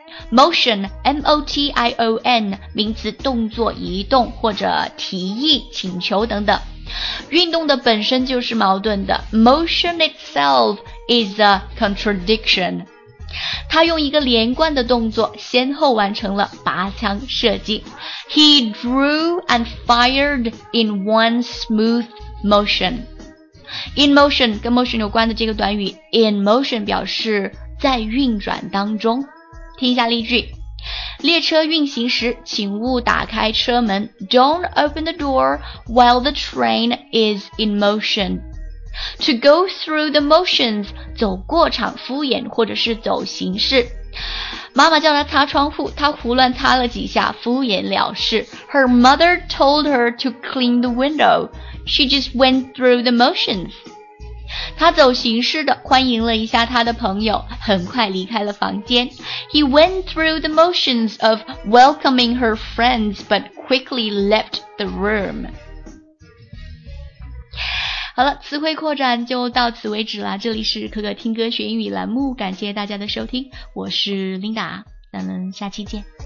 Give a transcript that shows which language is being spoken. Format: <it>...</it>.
<zh>Motion, M-O-T-I-O-N, 名词动作、移动或者提议、请求等等。运动的本身就是矛盾的。</zh> <en>Motion itself is a contradiction.</en> <zh>他用一个连贯的动作先后完成了拔枪射击。</zh> <en>He drew and fired in one smooth motion.</en> <zh>In motion 跟 motion 有关的这个短语 In motion 表示在运转当中。听一下例句，列车运行时请勿打开车门。</zh> <en>Don't open the door while the train is in motion.</en> <zh>To go through the motions 走过场、敷衍或者是走形式。妈妈叫她擦窗户，她胡乱擦了几下，敷衍了事。</zh> <en>Her mother told her to clean the windowShe just went through the motions.</en> <zh>他走形式的欢迎了一下他的朋友，很快离开了房间。</zh> <en>He went through the motions of welcoming her friends but quickly left the room.</en> <zh>好了，词汇扩展就到此为止了。这里是可可听歌学英语栏目，感谢大家的收听，我是 Linda， 咱们下期见。</zh>